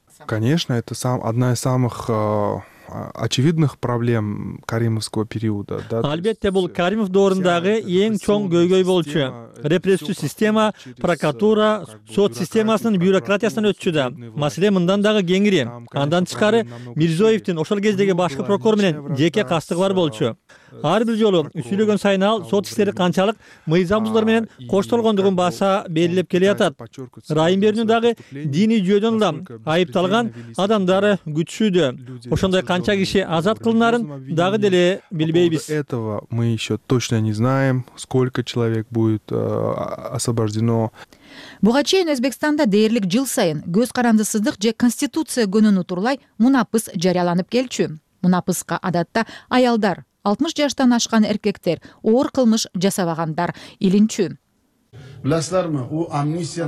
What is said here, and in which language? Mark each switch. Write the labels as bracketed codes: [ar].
[ru] Конечно, это одна из самых очевидных проблем Каримовского периода. [ky] Албетте, бул Каримов доорундагы эң чоң көйгөй болчу. Репрессивдүү система, прокуратура, сот системасынын бюрократиясынан өтчү да. Маселе мындан дагы кеңири. Андан тышкары Мирзиёевдин ошол кездеги башкы прокурор менен жеке кастыгы бар болчу. Ар бир жолу сүйлөгөн сайын ал сот иштери канчалык мыйзам бузуулар менен коштолгондугун баса белгилеп келе жатат. Ырайым берүүнү дагы диний жүйөдөн улам айыпталган адамдар күтүшүүдө. Ошондой канча киши азат кылынарын дагы деле билбейбиз. [ru] Этого мы еще точно не знаем, сколько человек будет освобождено. [ky] Буга чейин Өзбекстанда дээрлик жыл сайын көз карандысыздык же конституция күнүн утурлай мунапыс жарыяланып келчү. Мунапыска адатта аялдар, 60 жаштан ашкан эркектер, оор кылмыш жасабагандар илинчү. Билесиздерми, у амнистия.